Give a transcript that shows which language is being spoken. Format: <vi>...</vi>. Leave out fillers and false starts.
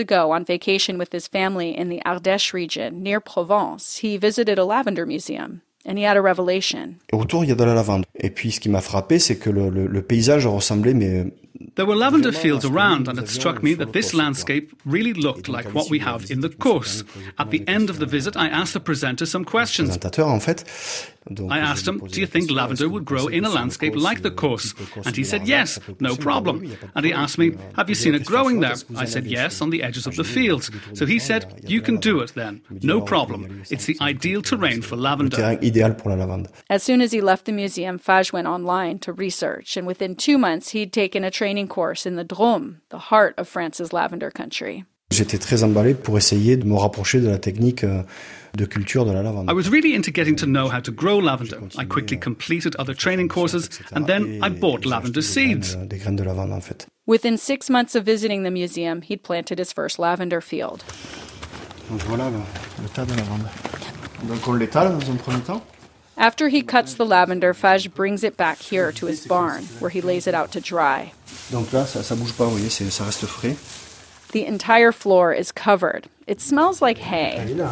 <en>ago, on vacation with his family in the Ardèche region, near Provence, he visited a lavender museum. And he had a revelation.</en> <fr>Autour, il y a de la lavande. Et puis, ce qui m'a frappé, c'est que le paysage ressemblait, mais.</fr> <en>There were lavender fields around, and it struck me that this landscape really looked like what we have in the Causses. At the end of the visit, I asked the presenter some questions.</en> <fr>Présentateur, en fait.</fr> <en>I asked him, do you think lavender would grow in a landscape like the Causses? And he said, yes, no problem. And he asked me, have you seen it growing there? I said, yes, on the edges of the fields. So he said, you can do it then, no problem. It's the ideal terrain for lavender. As soon as he left the museum, Fage went online to research. And within 2 months, he'd taken a training course in the Drôme, the heart of France's lavender country.</en> <fr>J'étais très emballé pour essayer de me rapprocher de la technique de culture de la lavande.</fr> <en>I was really into getting to know how to grow lavender. I quickly completed other training courses and then I bought lavender seeds.</en> <fr>Des graines de lavande, en fait.</fr> <en>Within 6 months of visiting the museum, he'd planted his first lavender field.</en> <fr>Donc voilà le tas de lavande. Donc on l'étale dans un premier temps.</fr> <en>After he cuts the lavender, Fage brings it back here to his barn where he lays it out to dry.</en> <fr>Donc là ça bouge pas, vous voyez, ça reste frais.</fr> <en>The entire floor is covered. It smells like hay.</en>